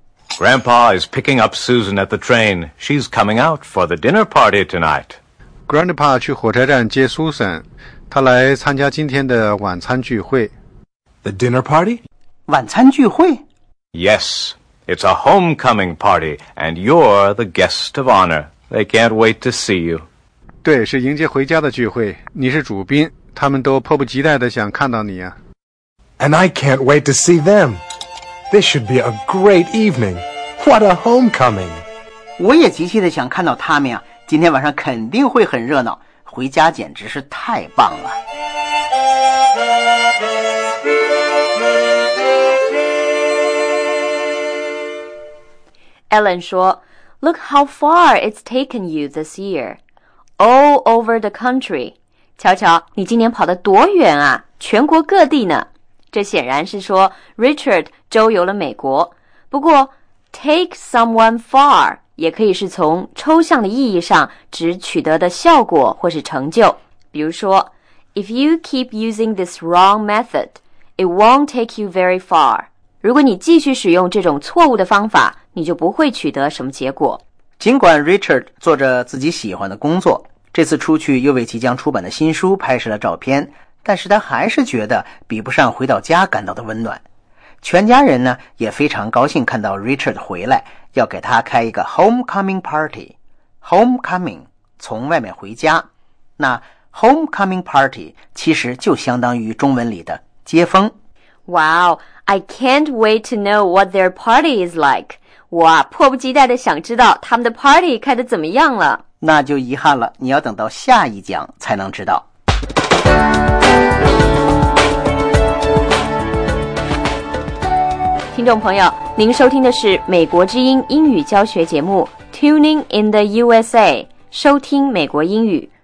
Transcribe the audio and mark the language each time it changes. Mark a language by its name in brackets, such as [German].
[English] Grandpa is picking up Susan at the train. She's coming out for the dinner party tonight. [Chinese] Grandpa 去火车站接 Susan， 他来参加今天的晚餐聚会。 [English] The dinner party? [Chinese] 晚餐聚会？ [English] Yes, it's a homecoming party, and you're the guest of honor. They can't wait to see you. [Chinese] 对，是迎接回家的聚会，你是主宾，他们都迫不及待地想看到你啊。 [English] And I can't wait to see them. This should be a great evening. What a homecoming! [Chinese] 我也极其地想看到他们啊。今天晚上肯定会很热闹，回家简直是太棒了。 [English] Ellen [Chinese] 说 [English] ,Look how far it's taken you this year. All over the country. [Chinese] 瞧瞧你今年跑得多远啊，全国各地呢。这显然是说 ,Richard 周游了美国。不过 , [English] take someone far, [Chinese] 也可以是从抽象的意义上指取得的效果或是成就。比如说 [English] ,If you keep using this wrong method, it won't take you very far. [Chinese] 如果你继续使用这种错误的方法，你就不会取得什么结果。尽管 Richard 做着自己喜欢的工作，这次出去又为即将出版的新书拍摄了照片，但是他还是觉得比不上回到家感到的温暖。全家人呢，也非常高兴看到 Richard 回来，要给他开一个 [English] homecoming party。 [Chinese] homecoming, 从外面回家。那 [English] homecoming party [Chinese] 其实就相当于中文里的接风。 [English] Wow, I can't wait to know what their party is like. [Chinese] 我迫不及待地想知道他们的 party 开得怎么样了。那就遗憾了，你要等到下一讲才能知道。听众朋友，您收听的是美国之音英语教学节目 Tuning in the USA， 收听美国英语。